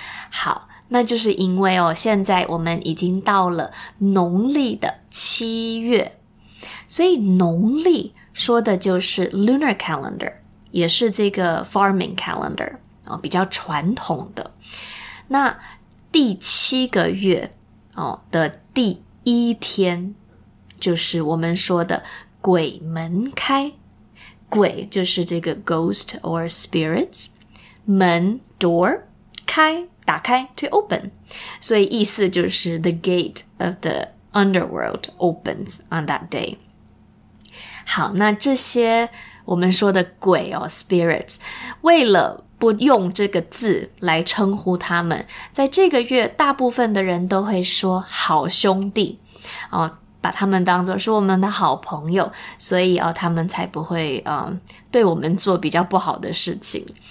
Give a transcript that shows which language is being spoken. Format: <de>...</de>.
<zh>好，那就是因为哦，现在我们已经到了农历的七月，所以农历说的就是</zh> <en>lunar calendar，</en> <zh>也是这个</zh> <en>farming calendar。</en> <zh>比较传统的，那第七个月的第一天就是我们说的鬼门开。鬼就是这个</zh> <en>ghost or spirits， 门 door</en> <zh>开，打开</zh> <en>to open，</en> <zh>所以意思就是</zh> <en>the gate of the underworld opens on that day。</en> <zh>好，那这些我们说的鬼哦 spirits， 为了不用这个字来称呼他们，在这个月大部分的人都会说好兄弟，把他们当作是我们的好朋友，所以，他们才不会，对我们做比较不好的事情。</zh>